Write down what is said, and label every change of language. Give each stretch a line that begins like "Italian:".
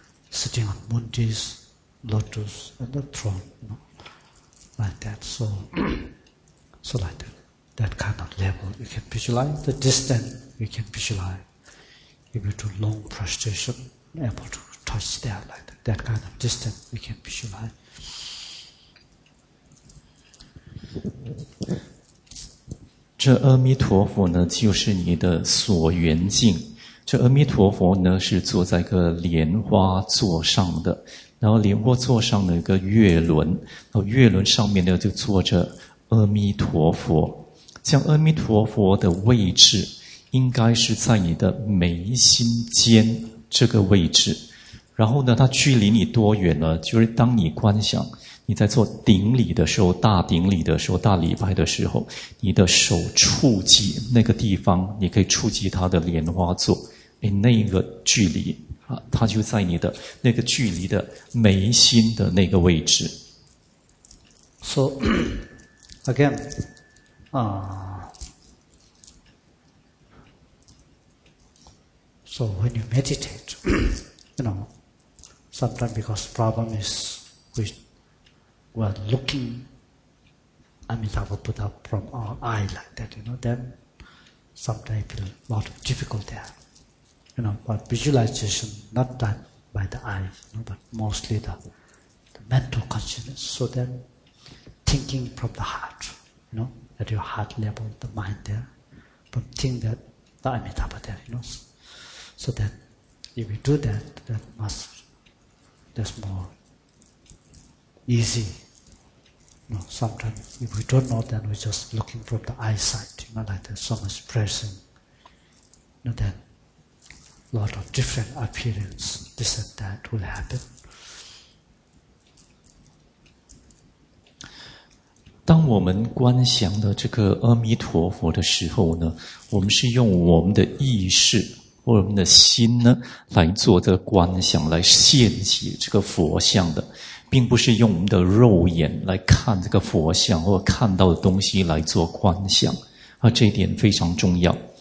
English: sitting on Mundi's lotus and the throne, you know, like that, so like that, that kind of level, you can visualize the distance, you can visualize, if you do long prostration, able to touch that, like that, that kind of distance, you can visualize.
Chinese: 这阿弥陀佛呢就是你的所缘境，这阿弥陀佛呢是坐在个莲花座上的，然后莲花座上的一个月轮，然后月轮上面呢就坐着阿弥陀佛，像阿弥陀佛的位置应该是在你的眉心间这个位置，然后呢它距离你多远呢，就是当你观想你在做顶礼的时候，大顶礼的时候，大礼拜的时候，你的手触及那个地方，你可以触及它的莲花座，那个距离啊，它就在你的那个距离的眉心的那个位置。
English: So again, so when you meditate, you know, sometimes because problem is we're looking Amitabha Buddha from our eye like that, you know, then sometimes feel a lot of difficulty there. You know, but visualization not done by the eye, you know, but mostly the mental consciousness. So then thinking from the heart, you know, at your heart level, the mind there, but think that the Amitabha there, you know. So that if you do that, that must, that's more easy. No, sometimes if we don't know, then we're just looking from the eyesight, you know, like there's so much pressing. You know, then a lot of different appearance, this and that will happen.
Chinese: 当我们观想的这个阿弥陀佛的时候呢，我们是用我们的意识或我们的心呢来做这个观想，来现起这个佛像的，并不是用我们的肉眼来看这个佛像或看到的东西来做观想，而这一点非常重要。